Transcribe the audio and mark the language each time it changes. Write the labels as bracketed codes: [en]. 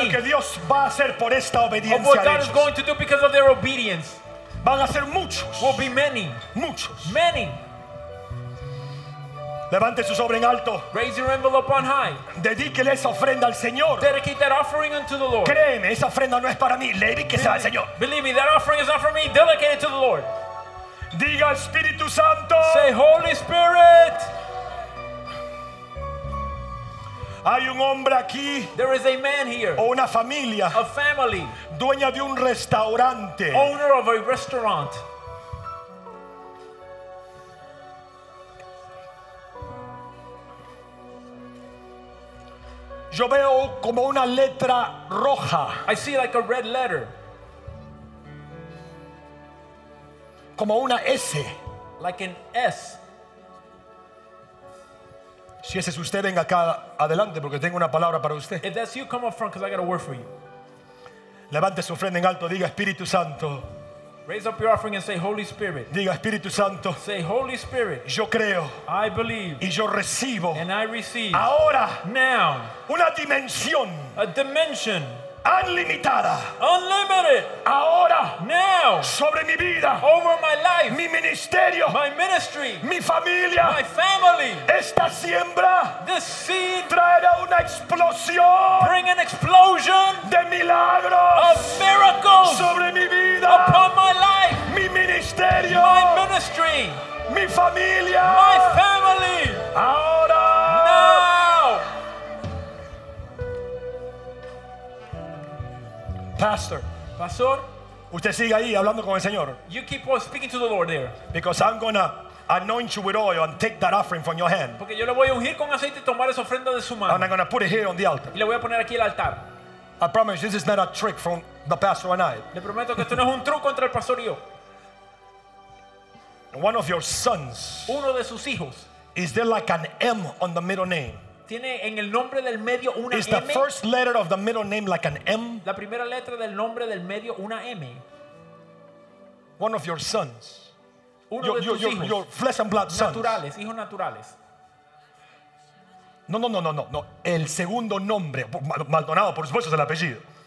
[es] De lo que Dios va a hacer por esta obediencia. [en] Of what God is going to do because of their obedience. [es] Van a ser muchos. [en] Will be many. [es] Muchos. [en] Many. [es] Levante su sobre en alto. [en] Raise your envelope on high. [es] Dedíquele esa ofrenda al Señor. [en] Dedicate that offering unto the Lord. [es] Créeme, esa ofrenda no es para mí. Dedíquese al Señor. [en] Believe me, that offering is not for me. Dedicate it to the Lord. [es] Diga Espíritu Santo. [en] Say Holy Spirit. [es] Hay un hombre aquí. [en] There is a man here. [es] O una familia. [en] A family. [es] Dueña de un restaurante. [en] Owner of a restaurant. [es] Yo veo como una letra roja. [en] I see like a red letter. [es] Como una S. [en] Like an S. [es] Si ese es usted, venga acá adelante porque tengo una palabra para usted. [en] If that's you, come up front because I got a word for you. [es] Levante su ofrenda en alto, diga Espíritu Santo. [en] Raise up your offering and say, Holy Spirit. [es] Diga, Espíritu Santo. [en] Say, Holy Spirit. [es] Yo creo. [en] I believe. [es] Y yo recibo. [en] And I receive. [es] Ahora. [en] Now. [es] Una dimensión. [en] A dimension. [es] Unlimitada. [en] Unlimited. [es] Ahora. [en] Now. [es] Sobre mi vida. [en] Over my life. [es] Mi ministerio. [en] My ministry. [es] Mi familia. [en] My family. [es] Esta siembra. [en] This seed. [es] Traerá una explosión. [en] Bring an explosion. [es] De milagros. [en] Of miracles. [es] Sobre mi vida. [en] Upon my life. [es] Mi ministerio. [en] My ministry. [es] Mi familia. [en] My family. [es] Ahora. [en] Now. [es] Pastor, pastor, usted sigue ahí hablando con el Señor. [en] You keep on speaking to the Lord there. Because I'm gonna anoint you with oil and take that offering from your hand. [es] Porque yo le voy a ungir con aceite y tomar esa ofrenda de su mano. [en] And I'm gonna put it here on the altar. [es] Y le voy a poner aquí el altar. [en] I promise this is not a trick from the pastor and I. [es] Le prometo que esto no es un truco entre el pastor y yo. [en] One of your sons. [es] Uno de sus hijos. [en] Is there like an M on the middle name? [es] Tiene en el nombre del medio una [en] is the M? First letter of the middle name like an M? [es] La primera letra del nombre del medio una M. [en] One of your sons. [es] Uno [en] your, [es] de [en] your, [es] tus [en] your, [es] hijos. [en] Your flesh and blood [es] naturales, [en] sons. [es] Hijos naturales. No, no, no, no, no, no. El segundo nombre, Maldonado, por supuesto, es el apellido.